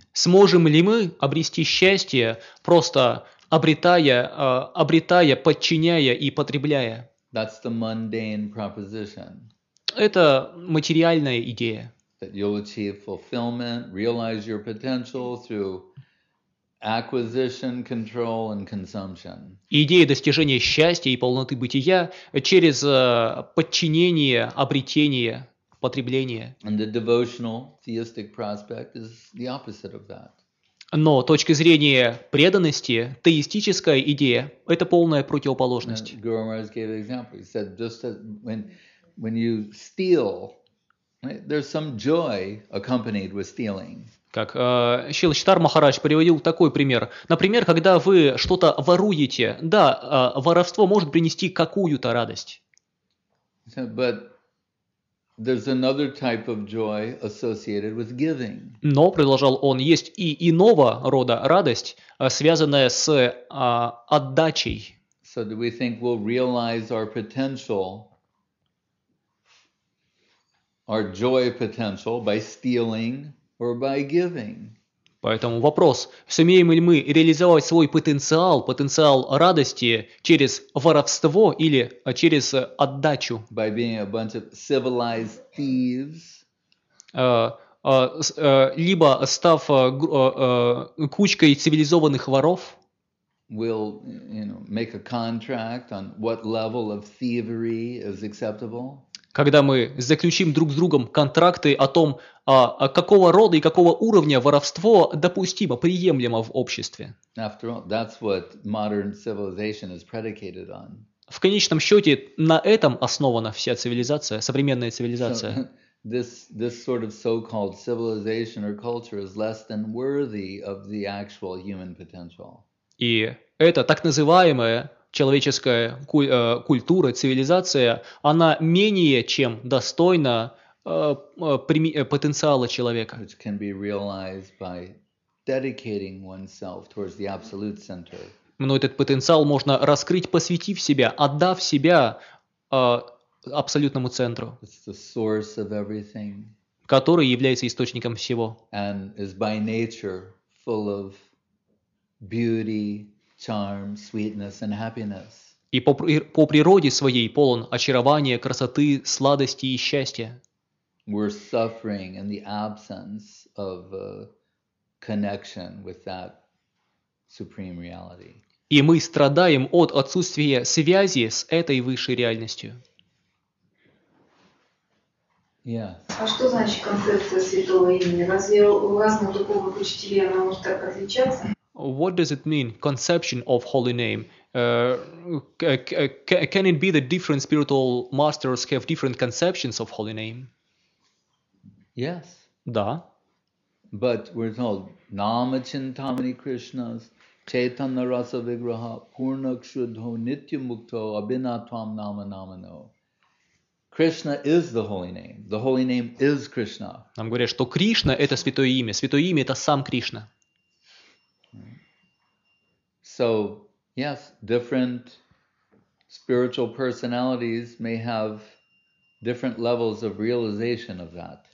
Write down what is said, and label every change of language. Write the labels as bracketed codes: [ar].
[ru] Сможем ли мы обрести счастье, просто обретая, подчиняя и потребляя? [en] That's the mundane proposition. [ru] Это материальная идея. [en] That you'll achieve fulfillment, realize your potential through acquisition, control, and consumption. [ru] Идея достижения счастья и полноты бытия через подчинение, обретение, потребление. [en] And the devotional theistic prospect is the opposite of that. [ru] Но точки зрения преданности, теистическая идея – это полная противоположность. [en] Guru Maharaj gave an example. He said, just as when you steal, there's some joy accompanied with stealing. [ru] Как Шрила Чайтанья Махарадж приводил такой пример. Например, когда вы что-то воруете, да, воровство может принести какую-то радость. [en] But there's another type of joy associated with giving. [ru] Но, продолжал он, есть и иного рода радость, связанная с отдачей. [en] So do we think we'll realize our potential, our joy potential, by stealing or by giving? [ru] Поэтому вопрос, сумеем ли мы реализовать свой потенциал, потенциал радости через воровство или через отдачу? [en] By being a bunch of civilized thieves. [ru] Либо став кучкой цивилизованных воров. [en] We'll, you know, make a contract on what level of thievery is acceptable. [ru] Когда мы заключим друг с другом контракты о том, какого рода и какого уровня воровство допустимо, приемлемо в обществе. [en] After all, that's what modern civilization is predicated on. [ru] В конечном счете, на этом основана вся цивилизация, современная цивилизация. [en] So, this sort of so-called civilization or culture is less than worthy of the actual human potential. [ru] И это так называемое человеческая культура, цивилизация, она менее чем достойна потенциала человека. [en] Which can be realized by dedicating oneself towards the absolute center. [ru] Но этот потенциал можно раскрыть, посвятив себя, отдав себя абсолютному центру. [en] It's the source of everything. [ru] Который является источником всего. [en] And is by nature full of beauty, charm, sweetness, and happiness. [ru] И по природе своей полон очарования, красоты, сладости и счастья. [en] We're suffering in the absence of a connection with that supreme reality. [ru] И мы страдаем от отсутствия связи с этой высшей реальностью. Yes. А что значит концепция святого имени? Разве у разного такого учителя она может так отличаться? [en] What does it mean, conception of holy name? Can it be that different spiritual masters have different conceptions of holy name? Yes. [ru] Да. [en] But we're told [sa] Nama Chintamani Krishnas, Chaitanya Rasa Vigraha, Purna Kshudho, Nitya Mukto, Abhinatvam Nama Namano. [en] Krishna is the holy name. The holy name is Krishna. [ru] Нам говорят, что Кришна – это святое имя. Святое имя – это сам Кришна. [en] So, yes, different spiritual personalities may have different levels of realization of that.